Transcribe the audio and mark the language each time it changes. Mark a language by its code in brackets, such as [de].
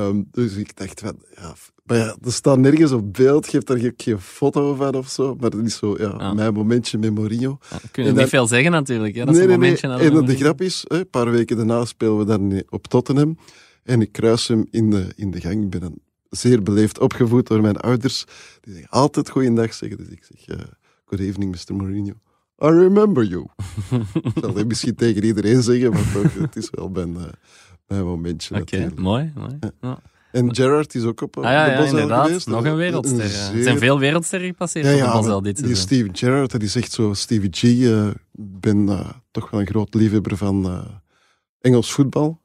[nl] Dus ik dacht, maar ja, er staat nergens op beeld, geeft daar geen foto van of zo, maar dat is zo, mijn momentje met Mourinho. Niet veel zeggen natuurlijk, dat is een momentje. Nee. En de grap is, een paar weken daarna spelen we dan op Tottenham en ik kruis hem in de gang. Ik ben dan zeer beleefd opgevoed door mijn ouders, die zeggen altijd goeiedag zeggen. Dus ik zeg, [en] good evening Mr. Mourinho, I remember you. [nl] Ik zal dat misschien tegen iedereen zeggen, maar toch, het is wel mijn momentje natuurlijk. Oké, mooi. Ja. En Gerrard is ook op de Bosuil geweest. Nog een wereldster. Er zijn veel wereldsterren gepasseerd op de Bosuil dit seizoen. Steve Gerrard, dat is echt zo Stevie G. Ik ben toch wel een groot liefhebber van Engels voetbal.